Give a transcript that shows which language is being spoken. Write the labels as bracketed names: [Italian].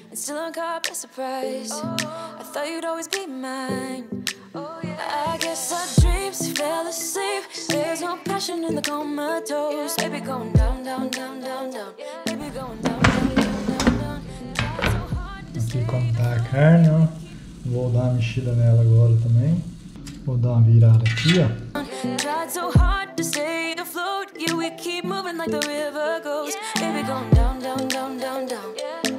[English] I thought you'd always be mine. Oh yeah. I guess our dreams fell asleep. There's no passion in the comatose. Baby going down, down, down, down, down. Baby going down, down, down, down, down. [Portuguese] Aqui como tá a carne, ó. Vou dar uma mexida nela agora também. Vou dar uma virada aqui, ó. [English] Tried so hard to stay afloat. Yeah, we keep moving like the river goes. Baby going down, down, down, down, down. Yeah.